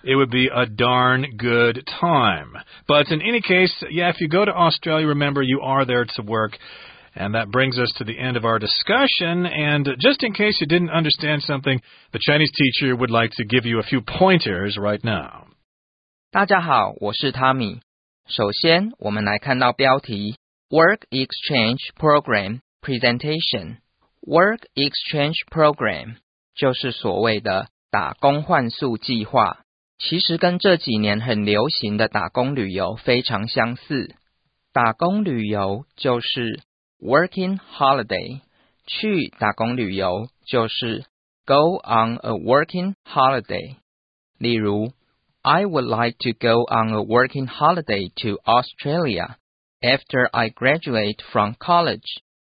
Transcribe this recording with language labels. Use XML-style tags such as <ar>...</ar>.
<en>It would be a darn good time. But in any case, yeah, if you go to Australia, remember, you are there to work. And that brings us to the end of our discussion. And just in case you didn't understand something, the Chinese teacher would like to give you a few pointers right now.</en> <zh>大家好, 我是Tommy. 首先, 我们来看到标题,</zh> <en>Work Exchange Program Presentation.</en> <zh>Work Exchange Program 就是所谓的打工换宿计划, 其实跟这几年很流行的打工旅游非常相似。打工旅游就是 Working holiday, 去打工旅游就是</zh> <en>go on a working holiday.</en> <zh>例如,</zh> <en>I would like to go on a working holiday to Australia after I graduate from college.</en>